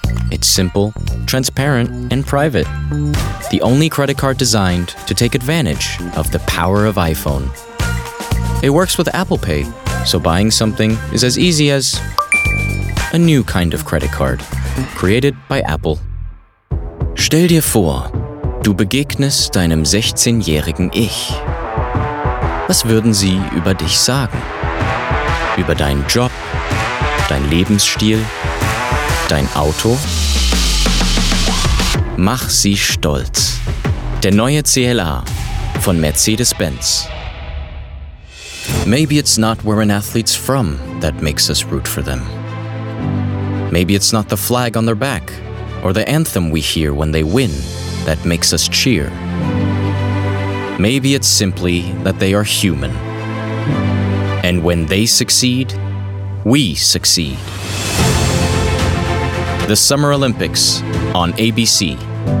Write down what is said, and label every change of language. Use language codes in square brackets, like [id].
[en] It's simple, transparent, and private. The only credit card designed to take advantage of the power of iPhone. It works with Apple Pay, so buying something is as easy as a new kind of credit card, created by Apple. [de] Stell dir vor, du begegnest deinem 16-jährigen Ich. Was würden sie über dich sagen? Über deinen Job, dein Lebensstil, dein Auto? Mach sie stolz. Der neue CLA von Mercedes-Benz. [en] Maybe it's not where an athlete's from that makes us root for them. Maybe it's not the flag on their back or the anthem we hear when they win that makes us cheer. Maybe it's simply that they are human. And when they succeed, we succeed. The Summer Olympics on ABC.